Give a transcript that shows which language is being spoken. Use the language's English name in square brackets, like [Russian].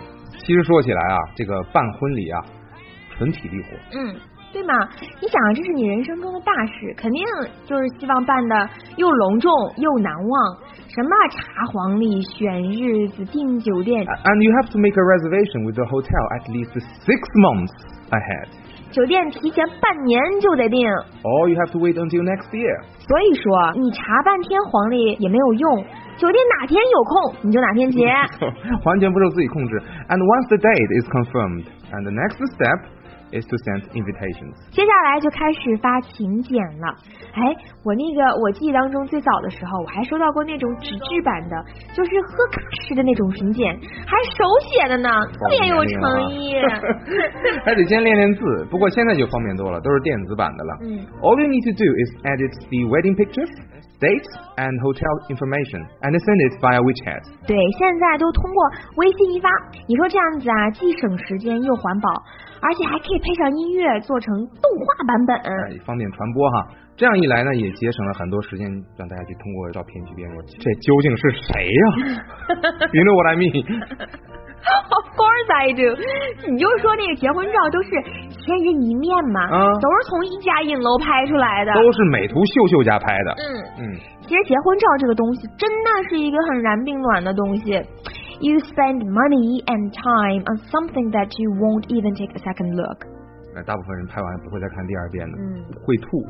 [Chinese] 其实说起来啊，这个办婚礼啊，纯体力活。嗯，对嘛，你想这是你人生中的大事，肯定就是希望办的又隆重又难忘，什么茶黄礼、选日子、订酒店。 [English] And you have to make a reservation with the hotel at least 6 months ahead. [Chinese] 酒店提前半年就得订。 [English] Or you have to wait until next year. [Chinese] 所以说你查半天黄历也没有用，酒店哪天有空你就哪天结。完全不受自己控制。 [English] And once the date is confirmed, and the next step,is to send invitations. [Chinese] 接下来就开始发请柬了。哎，我那个我记忆当中最早的时候，我还收到过那种纸质版的，就是贺卡式的那种请柬，还手写的呢，特别有诚意。还得先练练字，不过现在就方便多了，都是电子版的了。嗯。 [English] All you need to do is edit the wedding pictures, date and hotel information, and send it via WeChat. [Chinese] 对，现在都通过微信一发。你说这样子啊，既省时间又环保。而且还可以配上音乐做成动画版本，方便传播哈。这样一来呢，也节省了很多时间，让大家去通过照片去辨认这究竟是谁呀。 [English] You know what I mean? Of course I do. [Chinese] 你就说那个结婚照都是见人一面嘛，啊，都是从一家影楼拍出来的，都是美图秀秀家拍的。嗯嗯，其实结婚照这个东西真的是一个很燃并卵的东西。 [English] You spend money and time on something that you won't even take a second look。 [Chinese] 大部分人拍完不会再看第二遍的，嗯，会吐。